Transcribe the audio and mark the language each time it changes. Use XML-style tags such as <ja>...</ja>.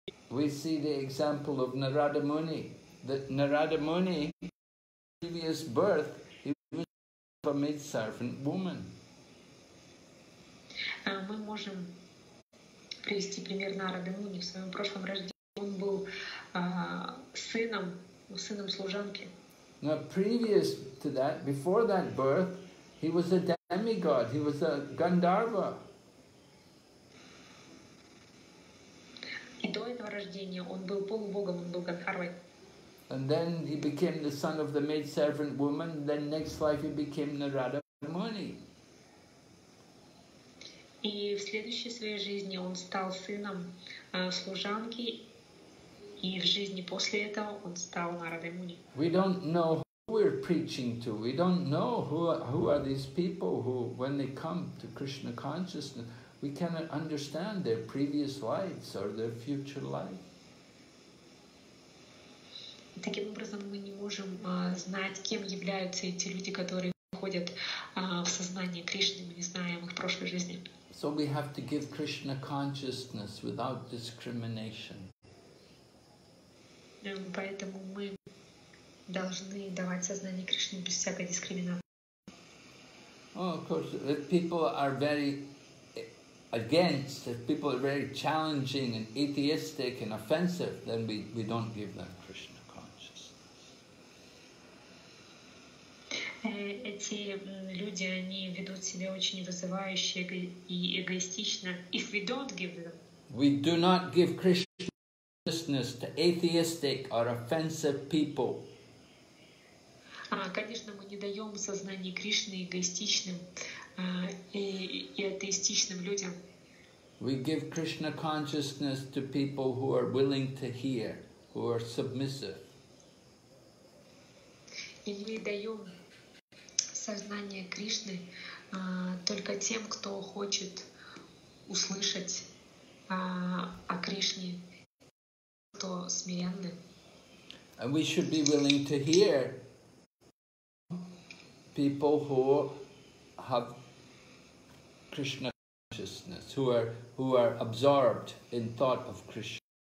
<en>We see the example of Narada Muni. That Narada Muni, in his previous birth, he was a maid servant woman.</en> <ru>Мы можем привести пример Нарады Муни. В своем прошлом рождении он был сыном служанки.</ru> <en>Now, previous to that, before that birth, he was a demigod. He was a Gandharva.</en> <ru>До этого рождения он был полубогом, он был Гандхарвой.</ru> <en>And then he became the son of the maidservant woman. Then next life he became Narada Muni.</en> <ru>И в следующей своей жизни он стал сыном служанки, и в жизни после этого он стал Нарадой Муни.</ru> <en>We don't know who we're preaching to. We don't know who are these people who, when they come to Krishna consciousness, we cannot understand their previous lives or their future life.</en> <ru>Таким образом, мы не можем знать, кем являются эти люди, которые входят в сознание Кришны, мы не знаем их прошлой жизни.</ru> <en>So we have to give Krishna consciousness without discrimination.</en> <ru>Поэтому мы должны давать сознание Кришне без всякой дискриминации.</ru> <en>Oh, of course, if people are very against, if people are very challenging and atheistic and offensive, then we don't give them Krishna consciousness.</en> <ru>Эти люди, они ведут себя очень вызывающе и эгоистично.</ru> <en>If we don't give them, we do not give Krishna consciousness to atheistic or offensive people.</en> <ru>Конечно, мы не даем сознание Кришны эгоистичным и атеистичным людям.</ru> <en>We give Krishna consciousness to people who are willing to hear, who are submissive.</en> <ru>И мы даем сознание Кришны только тем, кто хочет услышать о Кришне, кто смиренный.</ru> <en>And we should be willing to hear people who have Krishna consciousness, who are absorbed in thought of Krishna.</en>